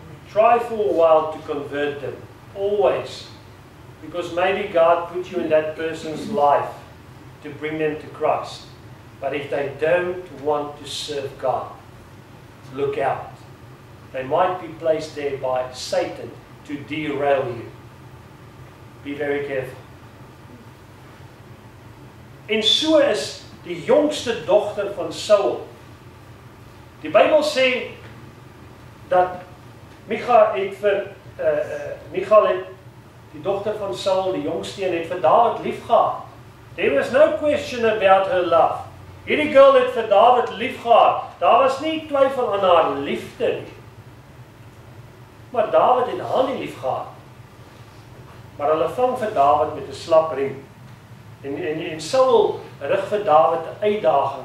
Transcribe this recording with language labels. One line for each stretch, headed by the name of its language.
English: Try for a while to convert them. Always. Because maybe God put you in that person's life to bring them to Christ. But if they don't want to serve God, look out. They might be placed there by Satan to derail you. Be very careful.
Afrikaans: En so is die jongste dogter van Saul. Die Bybel sê dat Michal het die dogter van Saul, die jongste, en het vir David lief gehad.
English: There was no question about her love.
Afrikaans: Hierdie girl het vir David lief gehad. Daar was nie twyfel aan haar liefde. Maar David het haar nie lief gehad. Maar hulle vang vir David met 'n slap riem. En Saul rig vir David 'n uitdaging.